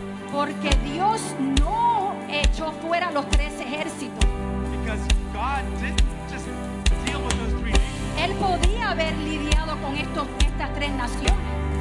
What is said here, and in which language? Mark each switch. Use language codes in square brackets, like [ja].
[es] Porque Dios no echó fuera los tres ejércitos. [en] Because God didn't just deal with those three nations. [es] Él podía haber lidiado con estas tres naciones.